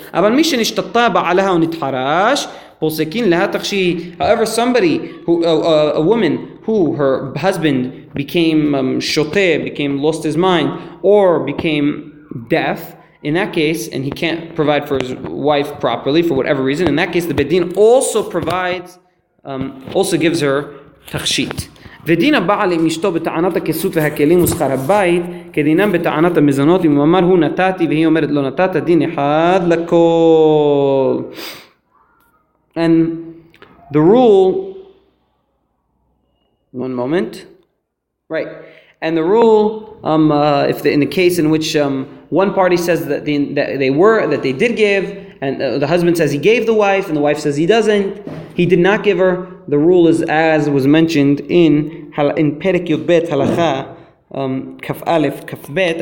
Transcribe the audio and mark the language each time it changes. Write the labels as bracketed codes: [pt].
[he] Aval mishen ishtataba alaha unitharash. [en] However, somebody who a woman who her husband became shote, became lost his mind, or became deaf, in that case, and he can't provide for his wife properly for whatever reason, in that case, the bedin also provides, also gives her tachshit. [he] ודין הבעל עם אשתו בטענת הכסות והכלים ושכר הבית כדינם בטענת המזונות אם הוא אמר הוא נתתי והיא אומרת לא נתת דין אחד לכל. [en] And the rule, one moment, right, and the rule, if the, in the case in which one party says that they did give and the husband says he gave the wife and the wife says he doesn't, he did not give her, the rule is as was mentioned in Perek Yud Bet Halacha, Kaf Aleph Kaf Bet.